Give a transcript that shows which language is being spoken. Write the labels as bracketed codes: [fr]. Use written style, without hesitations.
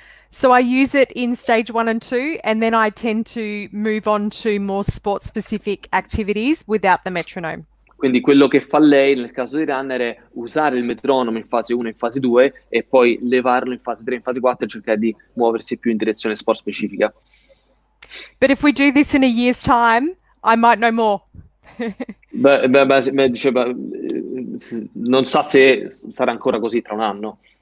[en] So I use it in stage 1 and 2 and then I tend to move on to more sport specific activities without the metronome. [it] Quindi quello che fa lei nel caso di runner è usare il metronomo in fase 1 e in fase 2 e poi levarlo in fase 3 e in fase 4 e cercare di muoversi più in direzione sport specifica. [en] But if we do this in a year's time, I might know more. [it] Non so se sarà ancora così tra un anno.